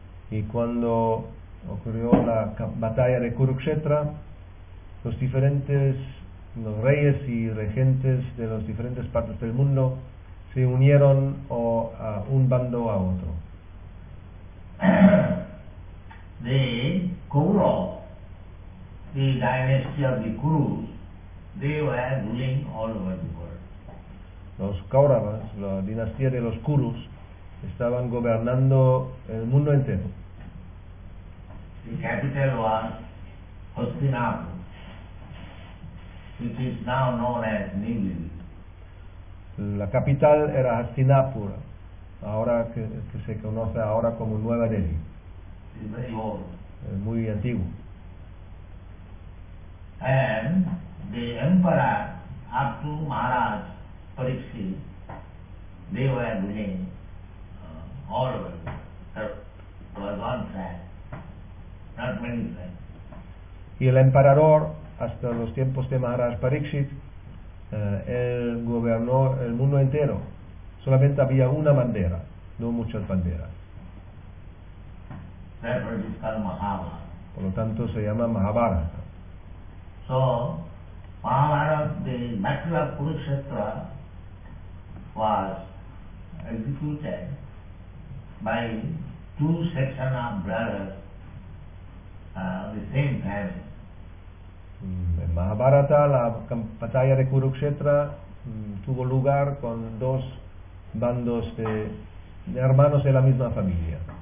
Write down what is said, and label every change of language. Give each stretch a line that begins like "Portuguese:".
Spanish: Y cuando ocurrió la batalla de Kurukshetra, los reyes y regentes de las diferentes partes del mundo se unieron a un bando o a otro.
English: the Kauravas, the dynasty of the Kurus, they were ruling all over the world.
Spanish: Los Kauravas, la dinastía de los Kurus, estaban gobernando el mundo entero.
English: The capital was Hastinapur, which is now known as New Delhi.
Spanish: La capital era Hastinapur, ahora que se conoce ahora como Nueva Delhi.
English: Very old.
Spanish: Muy antiguo.
English: And the emperor up to Maharaj Parikshit, they were ruling all over. There was one friend, not many friends.
Spanish: Y el emperador hasta los tiempos de Maharaj Parikshit, él gobernó el mundo entero. Solamente había una bandera, no muchas banderas.
English: Therefore it is called Mahabharata.
Spanish: Por lo tanto se llama Mahabharata.
English: So, Mahabharata, the battle of Kurukshetra was executed by two sections of brothers of the same family.
Spanish: En Mahabharata, la batalla de Kurukshetra tuvo lugar con dos bandos de hermanos de la misma familia.